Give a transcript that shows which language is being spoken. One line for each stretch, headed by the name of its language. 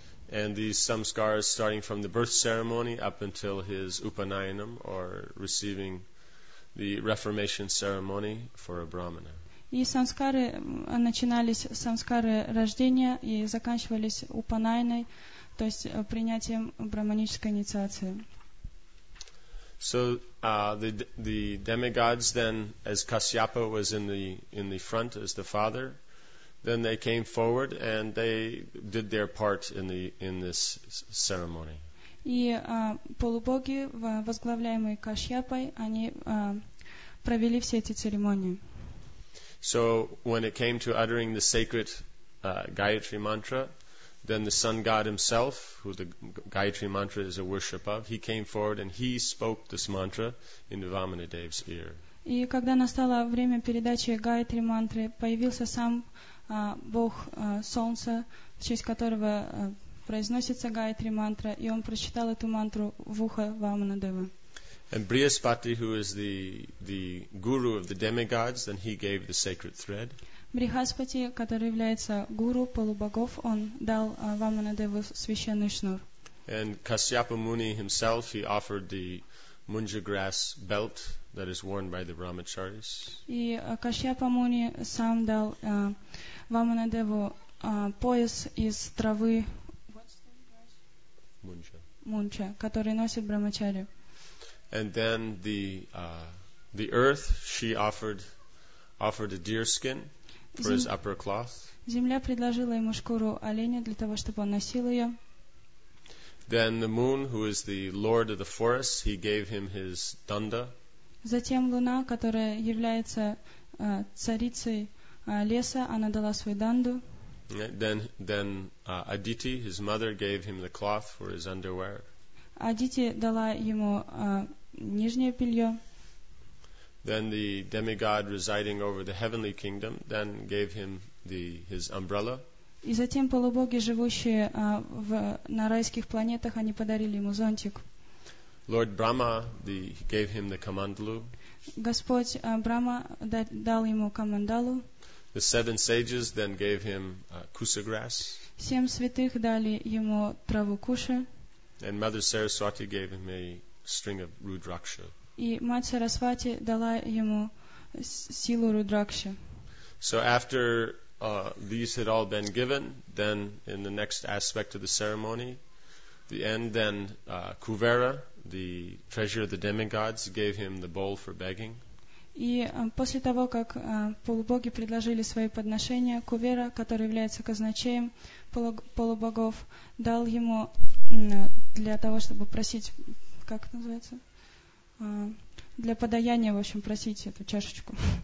English: And these samskars, starting from the birth ceremony up until his upanayanam, or receiving the reformation ceremony for a brahmana.
Russian: И самскары начинались, самскары рождения, и заканчивались упанайной, то есть принятием брахманической инициации.
English: So the demigods then, as Kasyapa was in the front as the father, then they came forward and they did their part in this ceremony.
Russian: И полубоги, возглавляемые Кашьяпой, они провели все эти церемонии.
English: So when it came to uttering the sacred Gayatri mantra, then the sun god himself, who the Gayatri mantra is a worship of, he came forward and he spoke this mantra in Vamanadeva's ear.
Russian: И когда настало время передачи Гайатри мантры, появился сам бог солнца, в честь которого произносится Гайатри мантра, и он прочитал эту мантру в ухо Вамана-девы.
English: And Brihaspati, who is the guru of the demigods, then he gave the sacred thread.
Russian: Брихаспати, который является гуру полубогов, он дал Вамана-деву священный шнур.
English: And Kasyapa Muni himself, he offered the Munja grass belt that is worn by the Brahmacharis.
Russian: И Кашьяпа Муни сам дал Вамана-деву пояс из травы Мунча, который носит Брахмачари.
English: And then the earth, she offered a deer skin for his upper cloth.
Russian: Земля предложила ему шкуру оленя для того, чтобы он носил ее.
English: Then the moon, who is the lord of the forest, he gave him his danda.
Russian: Затем луна, которая является царицей леса, она дала свой данду.
English: Then Aditi, his mother, gave him the cloth for his underwear.
Russian: Адити дала ему нижнее белье.
English: Then the demigod residing over the heavenly kingdom then gave him his umbrella.
Russian: И затем полубоги, живущие на райских планетах, они подарили ему зонтик.
English: Lord Brahma gave him the kamandalu.
Russian: Господь Брахма дал ему камандалу.
English: The seven sages then gave him kusa grass.
Russian: Семь святых дали ему траву куши.
English: And Mother Saraswati gave him a string of Rudraksha.
Russian: И мать Сарасвати дала ему силу Рудракши.
English: So after these had all been given, then in the next aspect of the ceremony, the end, then Kuvera, the treasurer of the demigods, gave him the bowl for begging.
Russian: И после того, как полубоги предложили свои подношения, Кувера, который является казначеем полубогов, дал ему для того, чтобы просить, как это называется? Для подаяния, в общем, просить эту чашечку.